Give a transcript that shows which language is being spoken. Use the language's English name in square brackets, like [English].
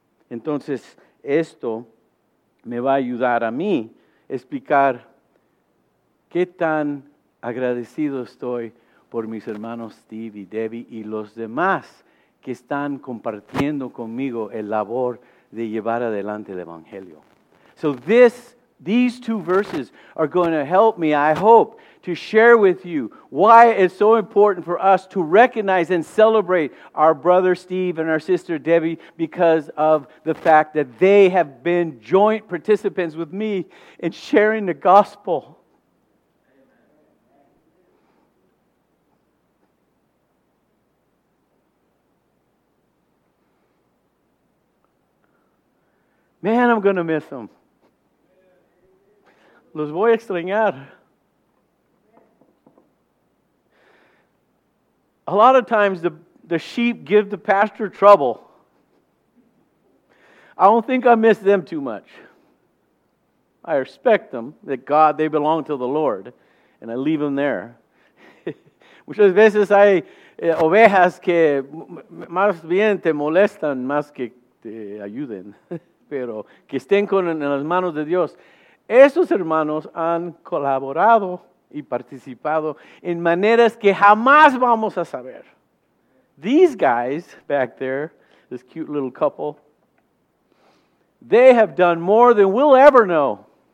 [Spanish] Entonces, esto me va a ayudar a mí explicar qué tan agradecido estoy por mis hermanos Steve y Debbie y los demás que están compartiendo conmigo el labor de llevar adelante el Evangelio. [English] So these two verses are going to help me, I hope, to share with you why it's so important for us to recognize and celebrate our brother Steve and our sister Debbie because of the fact that they have been joint participants with me in sharing the gospel. Man, I'm going to miss them. [Spanish] Los voy a extrañar. [English] A lot of times the sheep give the pastor trouble. I don't think I miss them too much. I respect them, that God, they belong to the Lord, and I leave them there. [Spanish] Muchas veces hay ovejas que más bien te molestan más que te ayuden, pero que estén con, en las manos de Dios. Esos hermanos han colaborado y participado en maneras que jamás vamos a saber. [English] These guys back there, this cute little couple, they have done more than we'll ever know.